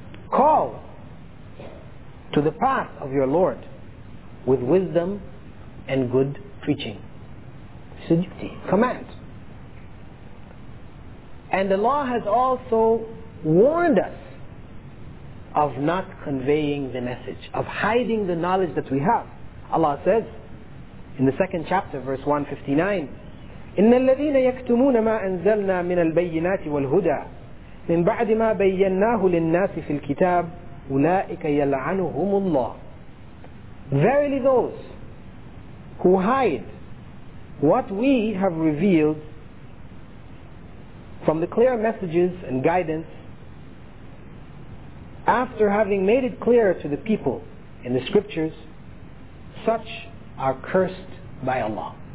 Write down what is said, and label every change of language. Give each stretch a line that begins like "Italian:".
English: Call to the path of your Lord with wisdom and good preaching. Siddiqti, command. And Allah has also warned us of not conveying the message, of hiding the knowledge that we have. Allah says in the second chapter, verse 159,
Arabic: إِنَّ الَّذِينَ يَكْتُمُونَ مَا أَنزَلْنَا مِنَ الْبَيِّنَاتِ وَالْهُدَىٰ مِن بَعْدِ مَا بَيَّنَّاهُ لِلنَّاسِ فِي الْكِتَابِ أُولَٰئِكَ يَلْعَنُهُمُ اللَّهِ.
English: Verily those who hide what we have revealed from the clear messages and guidance, after having made it clear to the people in the scriptures, such are cursed by Allah.